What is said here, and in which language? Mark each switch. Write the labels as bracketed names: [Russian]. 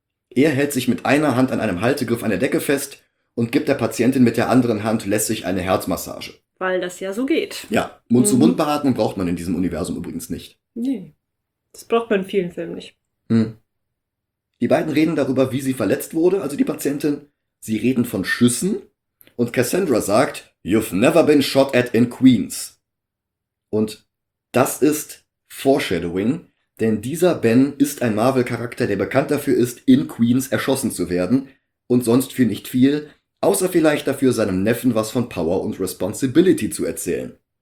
[German] Er hält sich mit einer Hand an einem Haltegriff an der Decke fest und gibt der Patientin mit der anderen Hand lässig eine Herzmassage. Weil das ja so geht. Ja, Mund-zu-Mund-Beatmung braucht man in diesem Universum übrigens nicht. Nee, das braucht man in vielen Filmen nicht. Die beiden reden darüber, wie sie verletzt wurde, also die Patientin. Sie reden von Schüssen. Und Cassandra sagt, [English] you've never been shot at in Queens. [German] Und das ist Foreshadowing, denn dieser Ben ist ein Marvel-Charakter, der bekannt dafür ist, in Queens erschossen zu werden. Und sonst für nicht viel, außer vielleicht dafür, seinem Neffen was von Power und Responsibility zu erzählen.